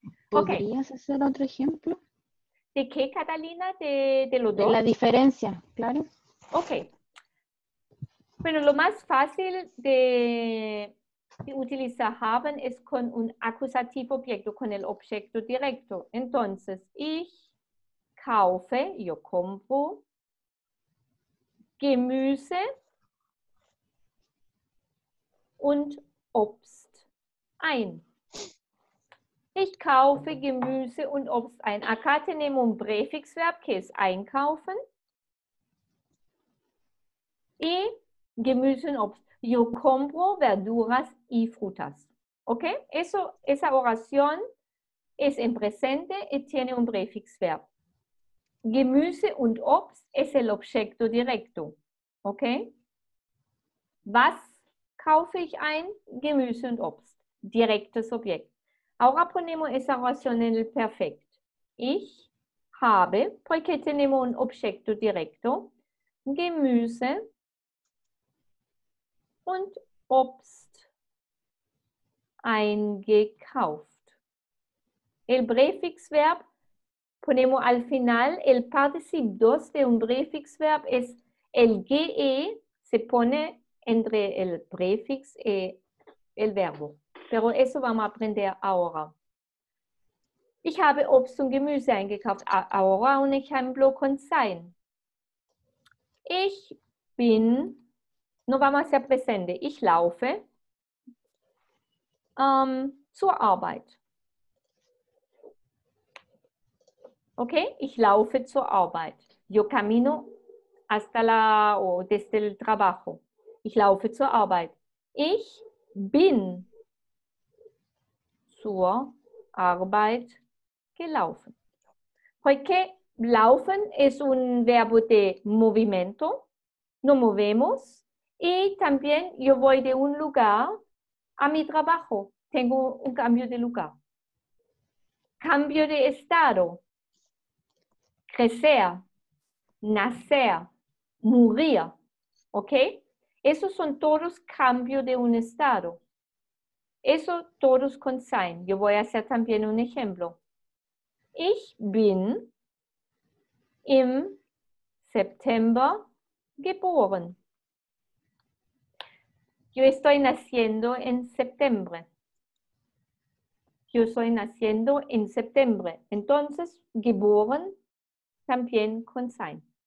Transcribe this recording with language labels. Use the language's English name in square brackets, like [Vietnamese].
[Spanish] ¿Podrías hacer otro ejemplo? ¿De qué, Catalina? ¿De los dos? De la diferencia, claro. Ok. Bueno, lo más fácil de utilizar haben es con un acusativo objeto, con el objeto directo. [German] Entonces, ich kaufe, [Spanish] yo compro, [German] Gemüse, und Obst ein. Ich kaufe Gemüse und Obst ein. [Spanish] Acá tenemos un prefixverb que es einkaufen. [German] Y Gemüse und Obst. [Spanish] Yo compro verduras y frutas. ¿Ok? Eso, esa oración es en presente y tiene un prefixverb. [German] Gemüse und Obst [Spanish] es el objeto directo. ¿Ok? [German] Was kaufe ich ein Gemüse und Obst. Direktes Objekt. [Spanish] Ahora ponemos esa oración en el perfect. [German] Ich habe, [Spanish] porque tenemos un objeto directo, [German] Gemüse und Obst eingekauft. [Spanish] El prefixverb ponemos al final, el particip 2 de un prefixverb es el GE, se pone entre el prefix y el verbo. Pero eso vamos a aprender ahora. [German] Ich habe Obst und Gemüse eingekauft. [Spanish] Ahora un ejemplo con sein. [German] Ich bin, [Spanish] no vamos a hacer presente, [German] ich laufe zur Arbeit. Okay, ich laufe zur Arbeit. [Spanish] Yo camino hasta la, o desde el trabajo. [German] Ich laufe zur Arbeit. Ich bin zur Arbeit gelaufen. [Spanish] Porque laufen es un verbo de movimiento. Nos movemos. Y también yo voy de un lugar a mi trabajo. Tengo un cambio de lugar. Cambio de estado. Crecer. Nacer. Morir. ¿Ok? Esos son todos cambios de un estado. Eso todos con sein. Yo voy a hacer también un ejemplo. [German] Ich bin im September geboren. [Spanish] Yo estoy naciendo en septiembre. Yo soy naciendo en septiembre. Entonces, geboren también con sein.